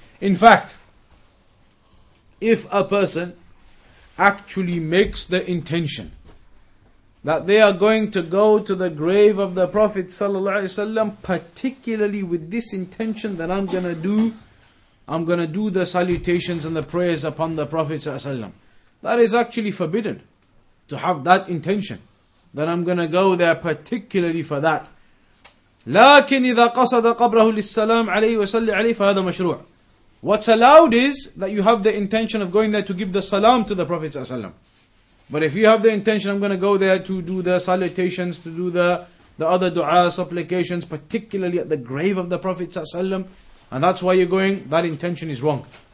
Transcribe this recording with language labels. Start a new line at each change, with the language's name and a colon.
English: In fact, if a person actually makes the intention that they are going to go to the grave of the Prophet ﷺ, particularly with this intention that I'm going to do the salutations and the prayers upon the Prophet ﷺ, that is actually forbidden to have that intention, that I'm going to go there particularly for that.
Arabic: لكن إذا قصد قبره للسلام عليه وسلم عليه فهذا مشروع.
English: What's allowed is that you have the intention of going there to give the salam to the Prophet ﷺ. But if you have the intention, I'm going to go there to do the salutations, to do the other dua supplications, particularly at the grave of the Prophet ﷺ, and that's why you're going, that intention is wrong.